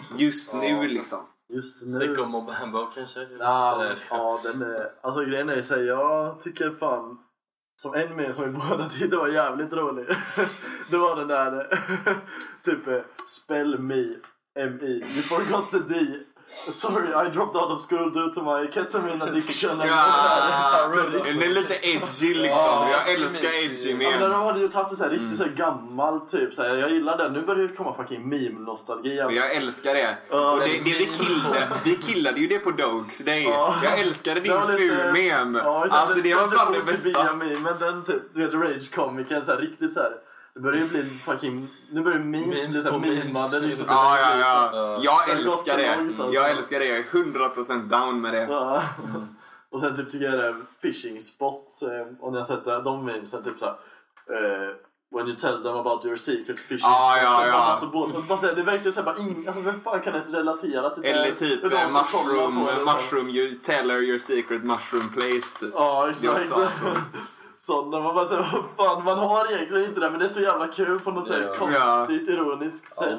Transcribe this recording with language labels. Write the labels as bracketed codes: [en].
[sv] Just nu liksom. Just nu. Sicko Mob Hambo kanske. Ja, den är, alltså grejen är så här, jag tycker fan som en meme som vi båda tyckte var jävligt rolig. Det var den där typ spell me M-E. [en] You forgot the D. Sorry, I dropped out of school due to my ketamine addiction. [sv] Ja, den är lite edgy liksom. Jag älskar edgy memes. Ja, men de hade ju tagit det såhär riktigt såhär gammal typ. Så här, jag gillar den. Nu börjar det komma fucking meme-nostalgi. Jag älskar det. Och det vi killade. Vi killade ju det på Dogs Day. Jag älskade din ful-mem. Alltså det var bara det bästa. Men den typ, du vet, Rage-comiken såhär riktigt såhär. Det börjar ju bli fucking, nu börjar ju memes på memade. Ja. Jag älskar det. Jag älskar det. Jag är 100% down med det. Och sen typ tycker jag det är fishing spots. Och när jag sett de memes är typ såhär, [en] when you tell them about your secret fishing spots. [sv] Det verkar ju såhär, alltså vem fan kan ens relatera till det? Eller typ [en] mushroom, you tell her your secret mushroom place. [sv] Ja, exakt. sån där man bara säger, fan, man har egentligen inte det, men det är så jävla kul på något sätt, konstigt, ironiskt sätt.